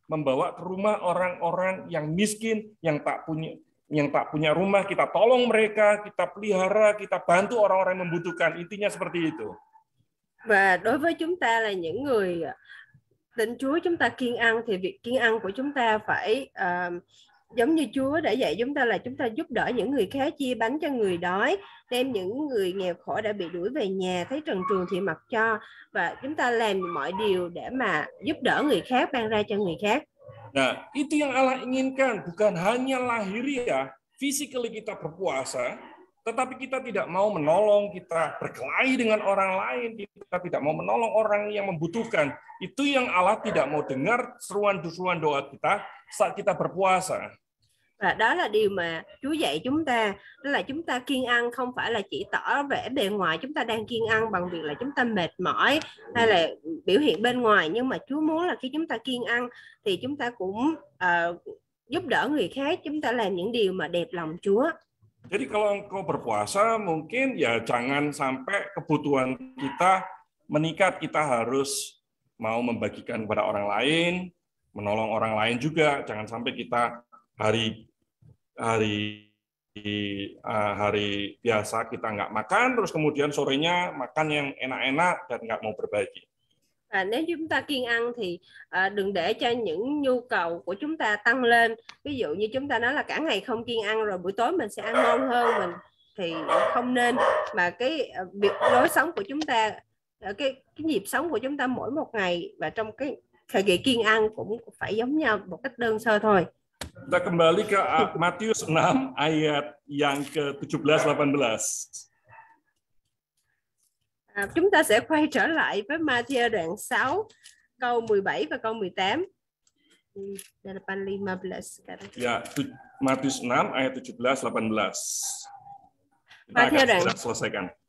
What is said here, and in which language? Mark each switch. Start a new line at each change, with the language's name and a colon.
Indonesian: membawa ke rumah orang-orang yang miskin, yang tak punya rumah, kita tolong mereka, kita pelihara, kita bantu orang-orang yang membutuhkan. Intinya seperti itu.
Vietnamese: Và đối với chúng ta là những người tin Chúa, chúng ta kiêng ăn, thì việc kiêng ăn của chúng ta phải giống như Chúa đã dạy chúng ta, là chúng ta giúp đỡ những người khác, chia bánh cho người đói, đem những người nghèo khổ đã bị đuổi về nhà, thấy trần truồng thì mặc cho, và chúng ta làm mọi điều để mà giúp đỡ người khác, ban ra cho người khác.
Indonesian: Nah, itu yang Allah inginkan, bukan hanya lahiriah, physically kita berpuasa, tetapi kita tidak mau menolong, kita berkelahi dengan orang lain, kita tidak mau menolong orang yang membutuhkan. Itu yang Allah tidak mau dengar seruan-seruan doa kita saat kita berpuasa.
Vietnamese: Và đó là điều mà Chúa dạy chúng ta, đó là chúng ta kiêng ăn không phải là chỉ tỏ vẻ bề ngoài chúng ta đang kiêng ăn bằng việc là chúng ta mệt mỏi hay là biểu hiện bên ngoài, nhưng mà Chúa muốn là khi chúng ta kiêng ăn thì chúng ta cũng giúp đỡ người khác, chúng ta làm những điều mà đẹp lòng Chúa.
Indonesian: Jadi kalau engkau berpuasa, mungkin ya jangan sampai kebutuhan kita meningkat, kita harus mau membagikan kepada orang lain, menolong orang lain juga, jangan sampai kita hari biasa kita nggak makan, terus kemudian sorenya makan yang enak-enak dan nggak mau berbagi.
Vietnamese: À, nếu chúng ta kiêng ăn thì đừng để cho những nhu cầu của chúng ta tăng lên. Ví dụ như chúng ta nói là cả ngày không kiêng ăn rồi buổi tối mình sẽ ăn ngon hơn, mình thì không nên. Mà cái việc lối sống của chúng ta, cái nhịp sống của chúng ta mỗi một ngày và trong cái thời kỳ kiêng ăn cũng phải giống nhau một cách đơn sơ thôi.
Indonesian: Kita kembali ke Matius 6 ayat yang ke-17-18.
Vietnamese: À, chúng ta sẽ quay trở lại với Matthew đoạn 6 câu 17 và câu 18. Đây là phần 15.
Indonesian: Dạ, Matthew 6 ayat 17-18.
Vietnamese: Matthew đoạn
Indonesian: selesaikan.